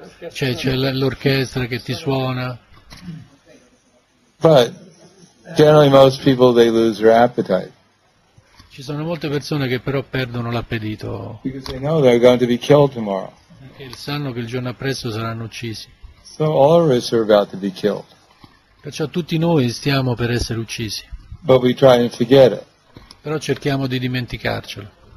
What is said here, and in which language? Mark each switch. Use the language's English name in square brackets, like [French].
[Italian] C'è l'orchestra che ti suona. [English] But generally most people they lose their appetite. [Italian] Ci sono molte persone che però perdono l'appetito. [English] Because they know they're going to be killed tomorrow. [Italian] Perché sanno che il giorno appresso saranno uccisi. [English] So all of us are about to be killed. [Italian] Perciò tutti noi stiamo per essere uccisi. [English] But we try and forget it. [Italian] Però cerchiamo di dimenticarcelo.